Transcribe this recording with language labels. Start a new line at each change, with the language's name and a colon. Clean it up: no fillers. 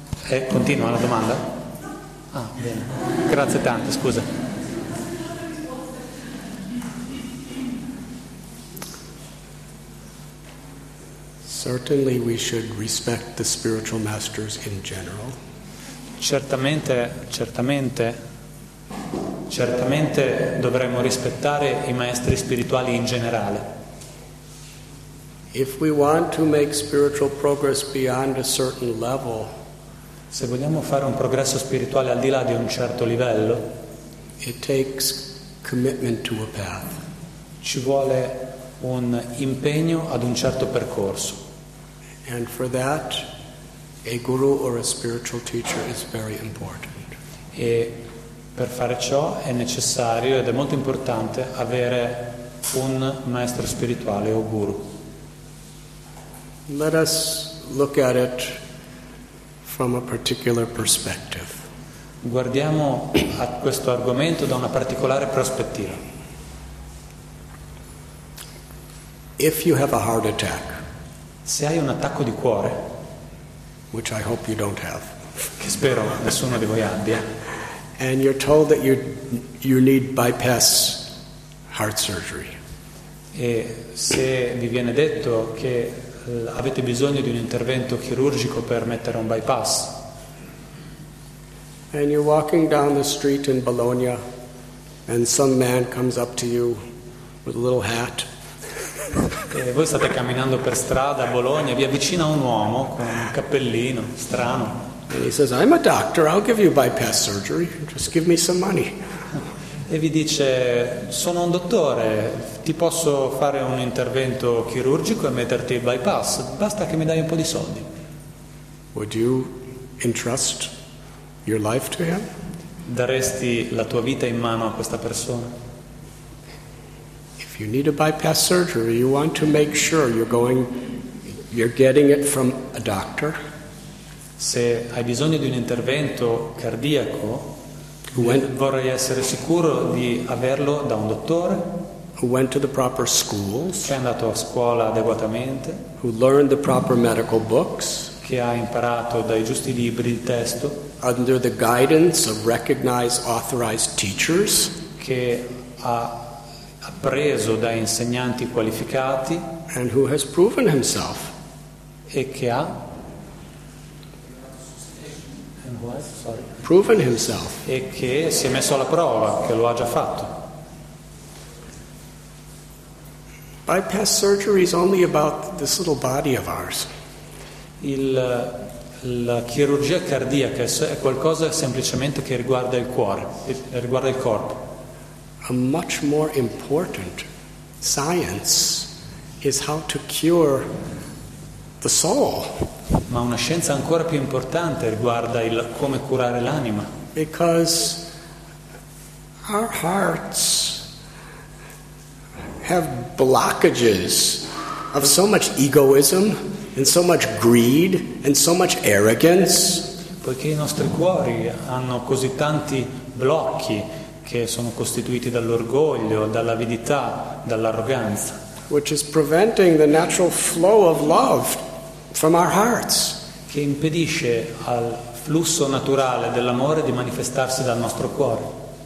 Italian: E continua la domanda? Ah, bene. Grazie tante, scusa.
English: Certainly we should respect the spiritual masters in general.
Italian: Certamente dovremmo rispettare i maestri spirituali in generale.
English: If we want to make spiritual progress beyond a certain level,
Italian: se vogliamo fare un progresso spirituale al di là di un certo livello,
English: it takes commitment to a path.
Italian: Ci vuole un impegno ad un certo percorso.
English: And for that, a guru or a spiritual teacher is very important.
Italian: E per fare ciò è necessario ed è molto importante avere un maestro spirituale o guru.
English: Let us look at it from a particular perspective.
Italian: Guardiamo a questo argomento da una particolare prospettiva.
English: If you have a heart attack,
Italian: se hai un attacco di cuore,
English: which I hope you don't have,
Italian: che spero nessuno di voi abbia,
English: and you're told that you need bypass heart surgery,
Italian: e se vi viene detto che avete bisogno di un intervento chirurgico per mettere un bypass.
English: And you're walking down the street in Bologna and some man comes up to you with a little hat.
Italian: E voi state camminando per strada a Bologna, vi avvicina un uomo con un cappellino strano.
English: And he says, "I'm a doctor, I'll give you bypass surgery, just give me some money."
Italian: E vi dice: "Sono un dottore, ti posso fare un intervento chirurgico e metterti il bypass, basta che mi dai un po' di soldi."
English: Would you entrust your life to him?
Italian: Daresti la tua vita in mano a questa persona?
English: If you need a bypass surgery, you want to make sure you're getting it from a doctor.
Italian: Se hai bisogno di un intervento cardiaco, vorrei essere sicuro di averlo da un dottore,
English: who went to the proper schools,
Italian: che è andato a scuola adeguatamente,
English: who learned the proper medical books,
Italian: che ha imparato dai giusti libri il testo,
English: under the guidance of recognized authorized teachers,
Italian: che ha appreso da insegnanti qualificati,
English: and who has proven himself,
Italian: e che ha
English: proven himself,
Italian: e che si è messo alla prova, che lo ha già fatto.
English: Bypass surgery is only about this little body of ours.
Italian: La chirurgia cardiaca è qualcosa semplicemente che riguarda il cuore, riguarda il corpo.
English: A much more important science is how to cure the soul.
Italian: Ma una scienza ancora più importante riguarda il come curare l'anima.
English: Because our hearts have blockages of so much egoism and so much greed and so much arrogance.
Italian: Poiché i nostri cuori hanno così tanti blocchi che sono costituiti dall'orgoglio, dall'avidità, dall'arroganza.
English: Which is preventing the natural flow of love from our hearts.
Italian: Che impedisce al flusso naturale dell'amore di manifestarsi dal nostro cuore.